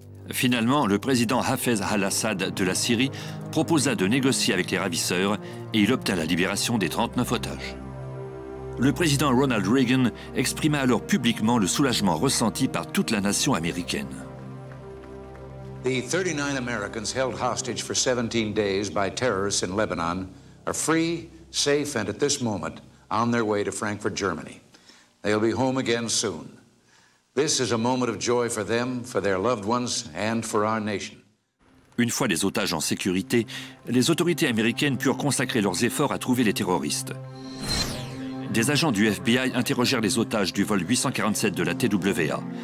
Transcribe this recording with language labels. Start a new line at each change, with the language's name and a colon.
French: Finalement, le président Hafez al-Assad de la Syrie proposa de négocier avec les ravisseurs et il obtint la libération des 39 otages. Le président Ronald Reagan exprima alors publiquement le soulagement ressenti par toute la nation américaine. Les 39 Américains
English: held hostage for 17 days by terrorists in Lebanon are free, safe and at this moment on their way to Frankfurt, Germany. They'll be home again soon. This is a moment of joy for them, for their loved ones and for our nation.
French: Une fois les otages en sécurité, les autorités américaines purent consacrer leurs efforts à trouver les terroristes. Des agents du FBI interrogèrent les otages du vol 847 de la TWA.